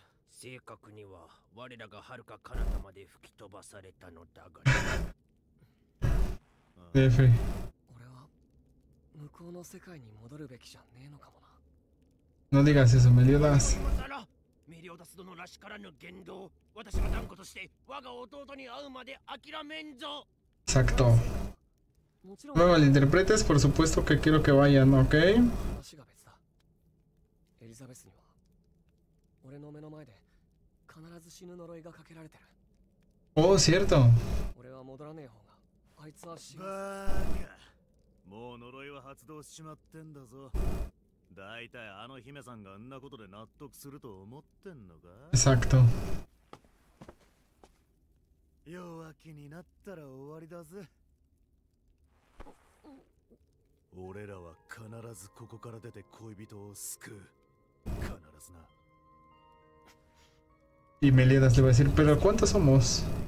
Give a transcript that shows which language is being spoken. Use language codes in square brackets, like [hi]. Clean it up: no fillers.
[ja] 正確には我らが遥か彼方まで吹き飛ばされたのだが。レフェリー。俺は向こうの世界に戻るべきじゃねえのかもな。 [es] No digas eso, Meliodas. [ja] Meliodas殿らしからぬ言動。私は断固として我が弟に会うまで諦めんぞ。 [es] Exacto. Me malinterpretes, por supuesto que quiero que vayan, ¿ok? [ja] Elizabeth には俺の目の前で必ず死ぬ呪いがかけられてる。 [es] Oh, cierto. [ja] 俺は戻らねえ方が。あいつは死ぬ。バーカ。もう呪いは発動しちまってんだぞ。大体あの姫さんがあんなことで納得すると思ってんのか。 [es] Exacto. [ja] 弱気になったら終わりだぜ。俺らは必ずここから出て恋人を救う。必ずな。 [es] Y Meliodas le va a decir, pero ¿cuántos somos?